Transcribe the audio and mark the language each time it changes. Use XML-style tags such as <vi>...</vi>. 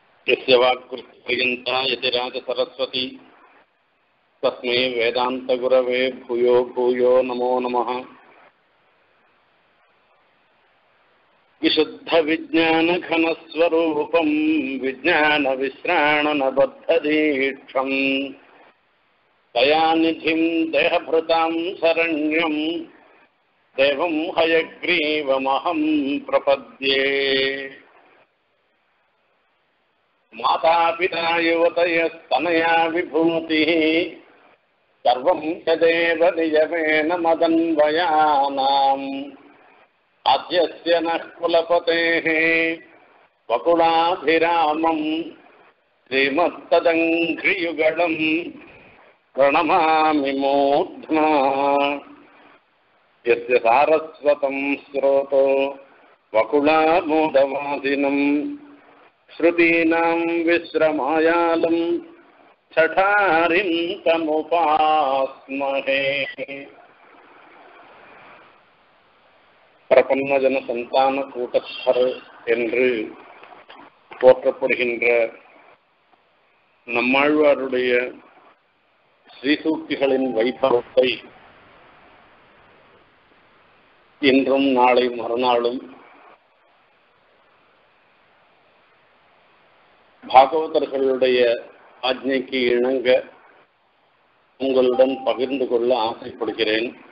<sa>യസ്യ വാക്കുപര്യന്ത യതി രാജസരസ്വതി തസ്മൈ വേദാന്തഗുരവേ ഭൂയോ ഭൂയോ നമോ നമഃ. విశుద్ధ విజ్ఞాన ఘన స్వరూపం విజ్ఞాన విశ్రాణ నబద్ధ దీక్షం దయానిధిం దేహభృతాం శరణ్యం దేవం హయగ్రీవమహం ప్రపద్యే. మాతాపితా యువతయ స్తనయా విభూతి సర్వం చ దేవ నియమేన మదన్వయానాం ఆద్యస్య నః కులపతేః వకుళాభిరామం శ్రీమత్ తదంఘ్రియుగళం ప్రణమామి మూర్ధ్నా. యస్య సారస్వతం శ్రోతో వకుళామూదవాదినం శ్రుతీనాం విశ్రమాయాలం ఛఠారిం తముపాస్మహే.</sa> <ta>பிரபன்ன ஜன சந்தான கூட்டத்தர் என்று போற்றப்படுகின்ற நம்மாழ்வாருடைய ஸ்ரீசூக்திகளின் வைபவத்தை இன்றும் நாளை மறுநாளும் பாகவதர்களுடைய ஆஜ்ஞைக்கு இணங்க உங்களுடன் பகிர்ந்து கொள்ள ஆசைப்படுகிறேன்.</ta>